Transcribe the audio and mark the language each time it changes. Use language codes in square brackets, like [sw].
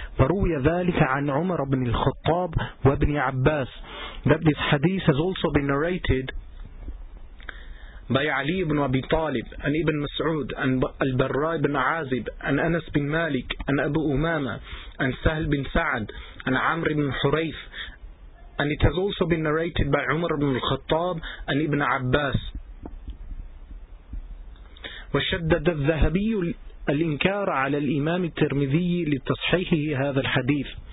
[ar] فروي ذلك عن عمر بن الخطاب وابن عباس. [en] That this hadith has also been narrated by Ali ibn Abi Talib and Ibn Mas'ud and Al-Barra ibn Azib and Anas bin Malik and Abu Umama and Sahl bin Sa'ad and Amr ibn Hurayf, and it has also been narrated by Umar ibn al-Khattab and Ibn Abbas. [ar] وشدد الذهبي الإنكار على الإمام الترمذي لتصحيحه هذا الحديث.